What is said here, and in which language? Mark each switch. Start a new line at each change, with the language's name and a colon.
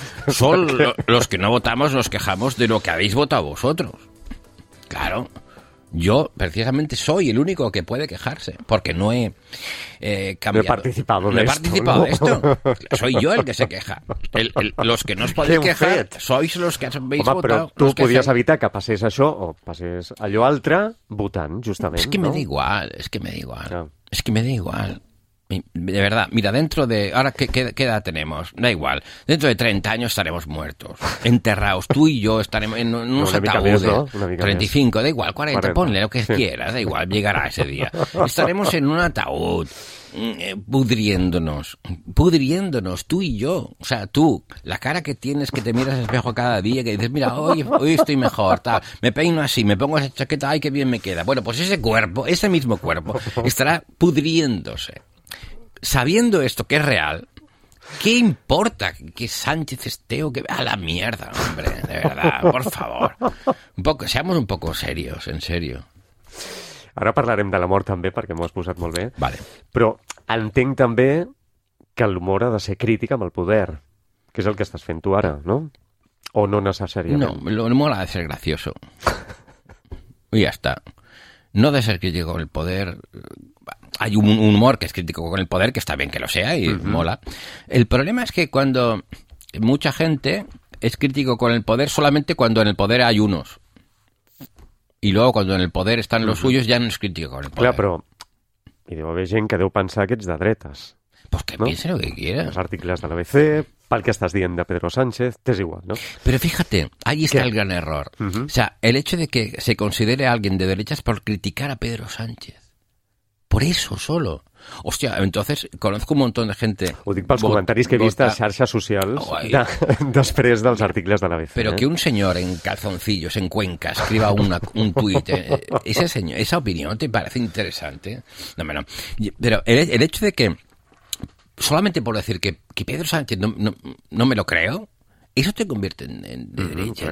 Spanish: Son los que no votamos nos quejamos de lo que habéis votado vosotros. Claro. Yo precisamente soy el único que puede quejarse porque no he cambiado. No he participado de esto. Soy yo el que se queja. Los que no os podéis quejar sois los que habéis votado. Pero tú podías evitar que
Catalan: passés això o passés allò altre votant, justament.
Spanish: Es que no? Me da igual, es que me da igual. Ah. Es que me da igual. De verdad, mira, dentro de... Ahora, ¿qué edad tenemos? Da igual. Dentro de 30 años estaremos muertos, enterrados. Tú y yo estaremos en unos ataúdes. 35, da igual, 40, ponle lo que quieras, da igual, llegará ese día. Estaremos en un ataúd, pudriéndonos, tú y yo. O sea, tú, la cara que tienes, que te miras al espejo cada día, que dices, mira, hoy estoy mejor, tal. Me peino así, me pongo esa chaqueta, ¡ay, qué bien me queda! Bueno, pues ese cuerpo, ese mismo cuerpo, estará pudriéndose. Sabiendo esto que es real, ¿qué importa que Sánchez esté o que... A la mierda, hombre, de verdad, por favor. Seamos un poco serios, en serio.
Catalan: Ara parlarem de l'humor també, perquè m'ho has posat molt bé. Vale. Però entenc també que l'humor ha de ser crític amb el poder, que és el que estàs fent tu ara, no? O no necessàriament? No, l'humor ha de ser gracioso. I ja està. No ha de ser crític amb el poder...
Spanish: Hay un humor que es crítico con el poder, que está bien que lo sea y uh-huh. mola. El problema es que cuando mucha gente es crítico con el poder solamente cuando en el poder hay unos. Y luego cuando en el poder están los uh-huh. suyos ya no es crítico con el poder. Claro, pero... Y debo haber gente que debe pensar que es de dretas. Pues que ¿no? piense lo que quiera. Los artículos de la ABC, pal que estás diciendo a Pedro Sánchez, te es igual, ¿no? Pero fíjate, ahí está ¿qué? El gran error. Uh-huh. O sea, el hecho de que se considere a alguien de derechas por criticar a Pedro Sánchez. Por eso solo. Hostia, entonces conozco un montón de gente.
Catalan: Ho dic pels comentaris que he vist a xarxes socials després dels articles de la BC.
Spanish: Pero que un señor en calzoncillos, en Cuenca, escriba un tuit, ese señor, esa opinión te parece interesante. No, no. Pero el hecho de que solamente por decir que Pedro Sánchez no me lo creo. Eso te convierte en de derecha.